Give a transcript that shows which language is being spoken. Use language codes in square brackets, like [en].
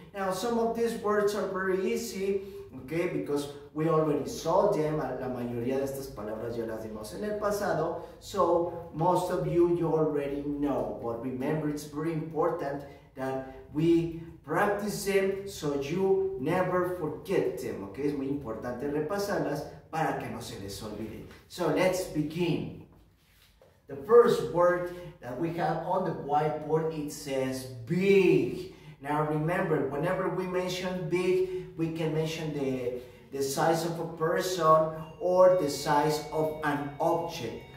[en] Now, some of these words are very easy, okay, because we already saw them. [es] La mayoría de estas palabras ya las vimos en el pasado, [en] so most of you already know. But remember, it's very important that we practice them so you never forget them, okay? [es] Es muy importante repasarlas para que no se les olvide. [en] So let's begin. The first word that we have on the whiteboard, it says big. Now remember, whenever we mention big, we can mention the size of a person or the size of an object.